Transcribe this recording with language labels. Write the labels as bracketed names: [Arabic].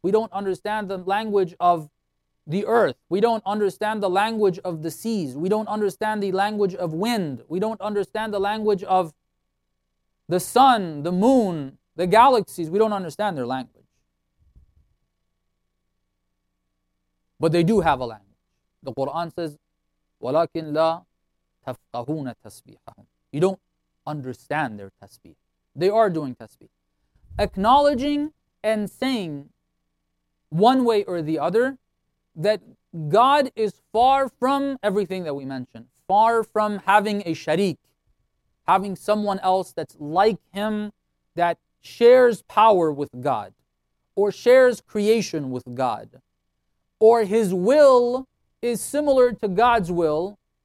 [English] We don't understand the language of the earth. We don't understand the language of the seas. We don't understand the language of wind. We don't understand the language of the sun, the moon, the galaxies. We don't understand their language. But they do have a language. The Quran says, [Arabic] وَلَكِنْ لَا تَفْقَهُونَ تَسْبِيحَهُمْ. [English] You don't understand their tasbih. They are doing tasbih. Acknowledging and saying one way or the other that God is far from everything that we mentioned. Far from having a sharik. Having someone else that's like him that shares power with God or shares creation with God or his will is similar to God's will.